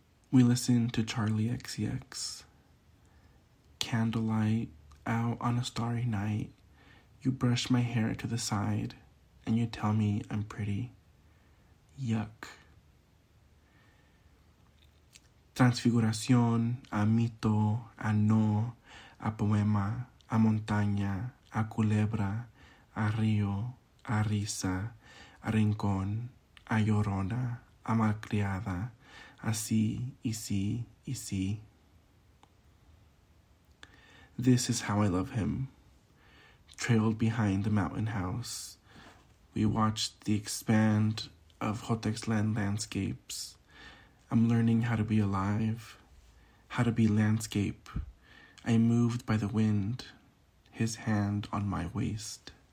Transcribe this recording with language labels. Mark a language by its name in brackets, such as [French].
[English] We listen to Charlie XCX, candlelight, out on a starry night, you brush my hair to the side, and you tell me I'm pretty. Yuck. [Spanish] Transfiguración, a mito, a no, a poema, a montaña, a culebra, a río, a risa, a rincón, a llorona, a malcriada, a sí, y sí, y sí. [English] This is how I love him. Trailed behind the mountain house, we watched the expand of Jotexland landscapes. I'm learning how to be alive, how to be landscape. I moved by the wind, his hand on my waist.